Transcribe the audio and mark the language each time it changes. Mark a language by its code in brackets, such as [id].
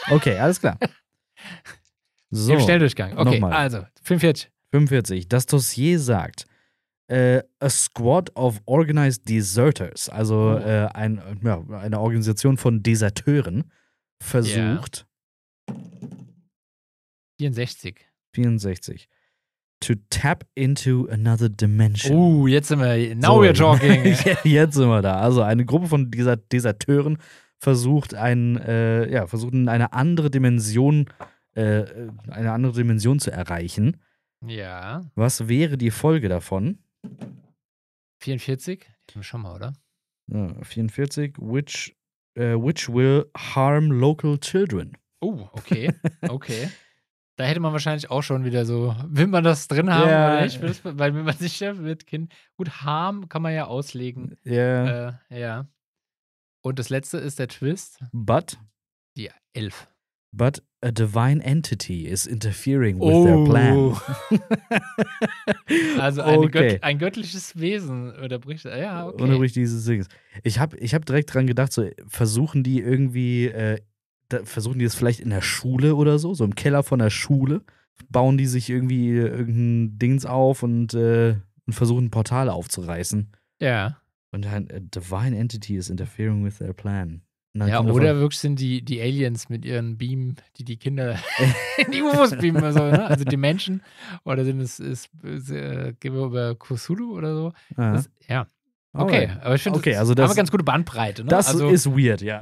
[de] Okay, alles klar. So, im Schnelldurchgang. Okay, nochmal. Also 45. 45. Das Dossier sagt, [en] a squad of organized deserters, [de] also eine Organisation von Deserteuren, versucht. [en] Yeah. 64. 64. To tap into another dimension. [de] Jetzt sind wir, [en] now we're talking. [de] Jetzt sind wir da. Also eine Gruppe von Deserteuren versucht eine andere Dimension zu erreichen. Ja. Was wäre die Folge davon? 44? Schau mal, oder? [en] Ja, 44. Which will harm local children? [de] Okay. Da hätte man wahrscheinlich auch schon wieder so, will man das drin haben oder nicht? Weil wenn man sich schafft mit Kind. Gut, harm kann man ja auslegen. Ja. Und das letzte ist der Twist. [en] But? [de] Ja, 11. [en] But a divine entity is interfering with their plan. [de] Also ein göttliches Wesen unterbricht. Ja, okay. Unterbricht dieses Ding. Ich hab direkt dran gedacht, so versuchen die irgendwie. Versuchen die das vielleicht in der Schule oder so im Keller von der Schule, bauen die sich irgendwie irgendein Dings auf und versuchen ein Portal aufzureißen. Ja. Und dann, [en] a divine entity is interfering with their plan. [de] Ja, oder wirklich sind die Aliens mit ihren Beamen, die Kinder in die UFOs beamen oder so, ne? Also die Menschen, oder sind es, gehen wir über Cthulhu oder so. Okay, aber ich finde, Das haben wir ganz gute Bandbreite. Ne? Das also, ist weird, ja.